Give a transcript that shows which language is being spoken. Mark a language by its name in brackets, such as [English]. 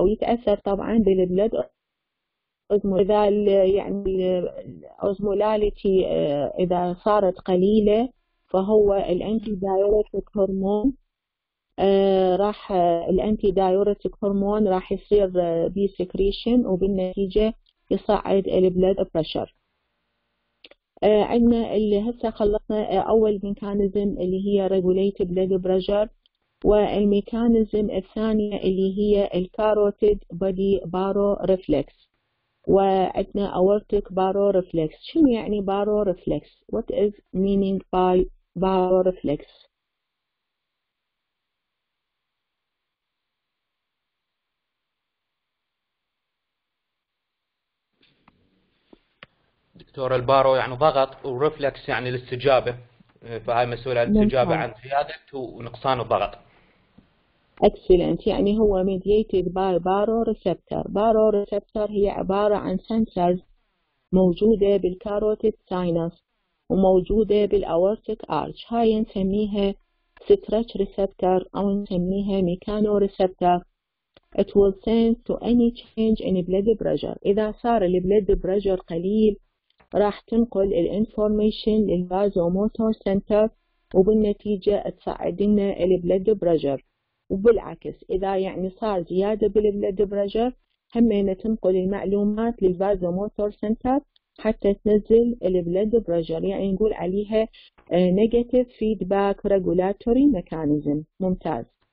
[Arabic] ويتاثر طبعا بالبلد إذا يعني الأوزمولاليتي إذا صارت قليلة فهو الأنتي دايوريتك هرمون راح الأنتي دايوريتك هرمون راح يصير بي سكريشن وبالنتيجة يصعد البلد بريشر. عندنا اللي هسه خلصنا أول ميكانيزم اللي هي ريجوليت بلد بريشر، والميكانيزم الثانية اللي هي الكاروتيد بودي بارو ريفلكس. وعندنا [English] aortic baroreflex. [Arabic] شنو يعني [English] baroreflex؟ What is meaning by baroreflex؟ [Arabic] دكتور البارو يعني ضغط والreflex يعني الاستجابة، فهاي مسؤولة عن الاستجابة عن زيادة ونقصان الضغط. [English] Excellent. [Arabic] يعني هو [English] mediated by baroreceptor. [Arabic] Baroreceptor هي عبارة عن sensors موجودة بالcarotid sinus وموجودة بالaortic arch. هاي نسميها stretch receptor أو نسميها mechanoreceptor. [English] It will sense to any change in blood pressure. [Arabic] إذا صار [English] the blood pressure [Arabic] قليل راح تنقل [English] the information للvasomotor center [Arabic] وبالنتيجة تساعد لنا [English] the blood pressure. [Arabic] وبالعكس إذا يعني صار زيادة بالبلد بريشر همينة تنقل المعلومات للفازوموتور سنتر حتى تنزل البلد بريشر، يعني نقول عليها نيجاتيف فيدباك ريجولاتوري ميكانيزم. ممتاز.